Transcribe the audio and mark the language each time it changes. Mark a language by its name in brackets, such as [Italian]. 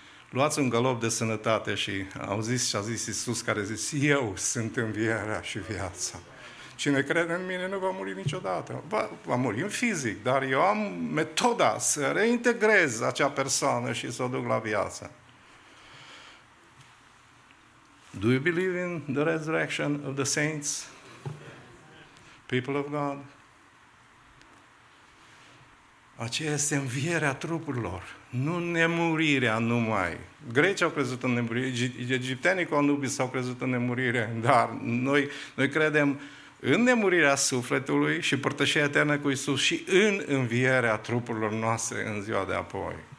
[Romanian] Luați un galop de sănătate și auziți ce a zis Iisus, care a zis, eu sunt învierea și viața. Cine crede în mine nu va muri niciodată. Va muri în fizic, dar eu am metoda să reintegrez acea persoană și să o duc la viață. [English] Do you believe in the resurrection of the saints? People of God? [Romanian] Aceea este învierea trupurilor, nu nemurirea numai. Grecii au crezut în nemurire, egiptenii cu Anubis au crezut în nemurire, dar noi credem în nemurirea sufletului și părtășia eternă cu Iisus și în învierea trupurilor noastre în ziua de apoi.